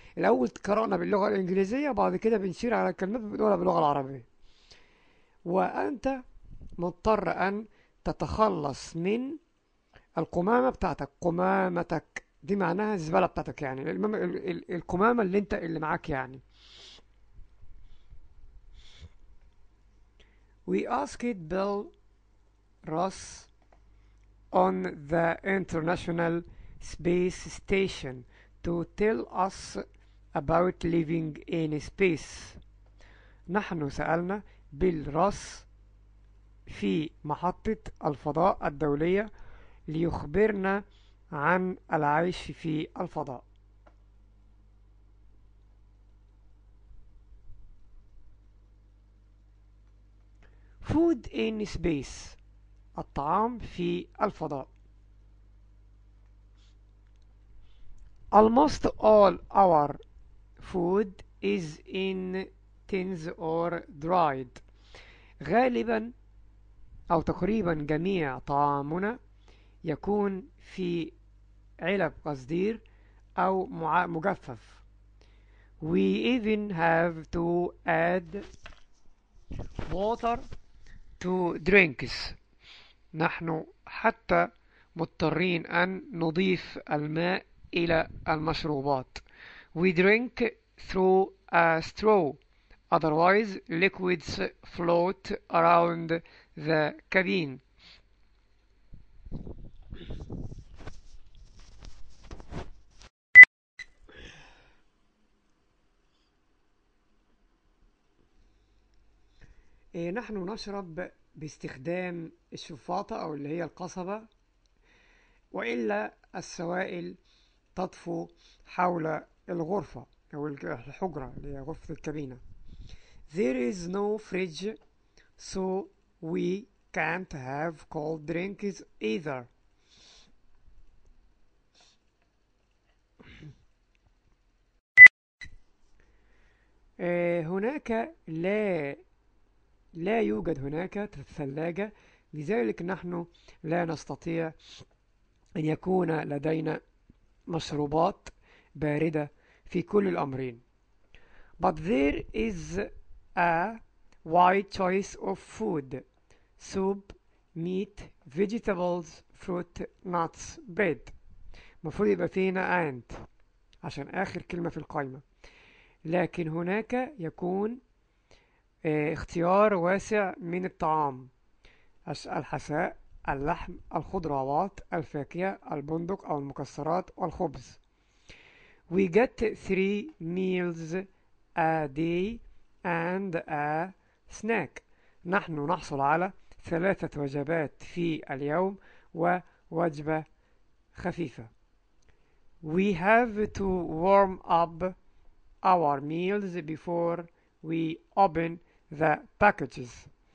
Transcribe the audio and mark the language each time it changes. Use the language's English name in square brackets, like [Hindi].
[Arabic] الأول قرأنا باللغة الإنجليزية، بعد كده بنشير على الكلمات بنقولها باللغة العربية. وأنت مضطر أن تتخلص من القمامة بتاعتك. قمامتك دي معناها الزبالة بتاعتك، يعني القمامة اللي معاك يعني. [English] We asked Bill Ross on the International Space Station to tell us about living in space. [Arabic] نحن سألنا بيل راس في محطة الفضاء الدولية ليخبرنا عن العيش في الفضاء. [English] Food in space، [Arabic] الطعام في الفضاء. [English] Almost all our food is in tins or dried. [Arabic] غالبا أو تقريبا جميع طعامنا يكون في علب قصدير أو مجفف. [English] We even have to add water to drinks. [Arabic] نحن حتى مضطرين أن نضيف الماء إلى المشروبات. [English] We drink through a straw. Otherwise, liquids float around the cabin. [Arabic] نحن نشرب باستخدام الشفاطة أو اللي هي القصبة، وإلا السوائل تطفو حول الغرفة أو الحجرة اللي هي غرفة الكابينة. [English] There is no fridge so we can't have cold drinks either. [Arabic] هناك لا يوجد هناك ثلاجة، لذلك نحن لا نستطيع أن يكون لدينا مشروبات باردة في كل الأمرين. [English] But there is a wide choice of food. Soup, meat, vegetables, fruit, nuts, bread. [Arabic] مفروض يبقى فينا and عشان آخر كلمة في القائمة. لكن هناك يكون اختيار واسع من الطعام: الحساء، اللحم، الخضروات، الفاكهة، البندق أو المكسرات، والخبز. [English] We get three meals a day and a snack. [Arabic] نحن نحصل على ثلاثة وجبات في اليوم ووجبة خفيفة. [English] We have to warm up our meals before we open the packages.